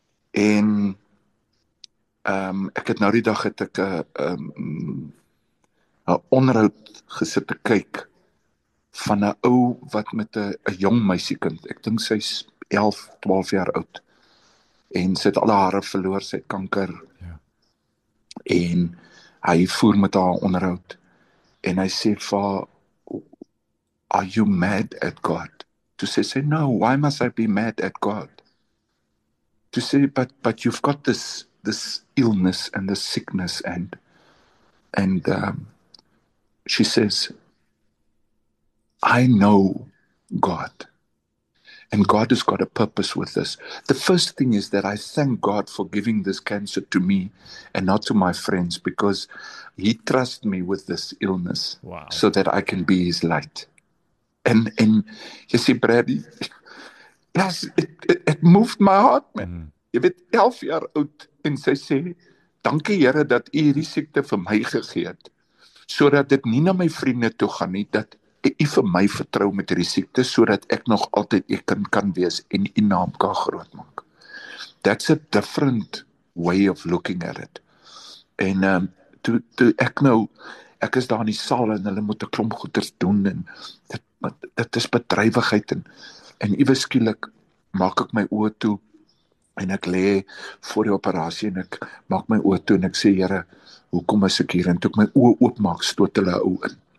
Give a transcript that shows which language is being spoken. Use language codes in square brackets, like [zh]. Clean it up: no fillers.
[af] En ek het nou die dag het ek 'n onderhoud gesit te kyk van 'n ou wat met 'n jong meisiekind, ek dink sy's 11, 12 jaar oud, en sy het al haar verloor, sy het kanker, en hy voer met haar onderhoud en hy sê vir haar, [en] are you mad at God? To say no, why must I be mad at God? To say but you've got this illness and this sickness and she says, I know God and God has got a purpose with this. The first thing is that I thank God for giving this cancer to me and not to my friends because he trusts me with this illness so that I can be his light. And you see, Brady, it moved my heart, man. [af] Jy weet, 11 jaar oud en sy sê, dankie Here dat u hierdie siekte vir my gegee het sodat dit nie na my vriende toe gaan nie, dat u vir my vertrou met hierdie siekte sodat ek nog altyd u kind kan wees en u naam kan groot maak. [en] That's a different way of looking at it. [af] En ek is daar in die saal en hulle moet 'n klomp goeders doen en dit is bedrywigheid en iewes skielik maak ek my oë toe en ek lê voor die operasie en ek maak my oë toe en ek sê, Here, hoekom is ek hier? En toe ek my oë oopmaak, stoot hulle 'n ou in.